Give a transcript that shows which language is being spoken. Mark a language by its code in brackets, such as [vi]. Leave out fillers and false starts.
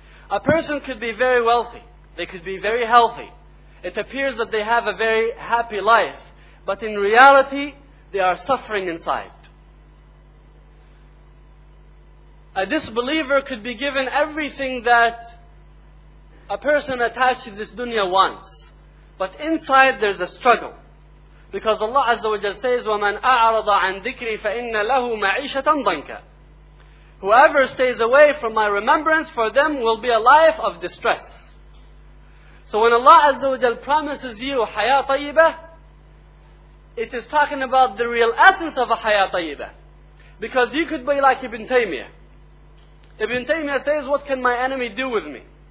[en] A person could be very wealthy. They could be very healthy. It appears that they have a very happy life. But in reality, they are suffering inside. A disbeliever could be given everything that a person attached to this dunya wants. But inside there's a struggle. Because Allah Azza wa Jalla says, [ar] وَمَنْ أَعْرَضَ عَنْ ذِكْرِي فَإِنَّ لَهُ مَعِيشَةً ضَنْكَ. [en] Whoever stays away from my remembrance, for them will be a life of distress. So when Allah Azza wa Jalla promises you حَيَا طَيِّبَة, it is talking about the real essence of a حَيَا طَيِّبَة. Because you could be like Ibn Taymiyyah. Ibn Taymiyyah says, what can my enemy do with me?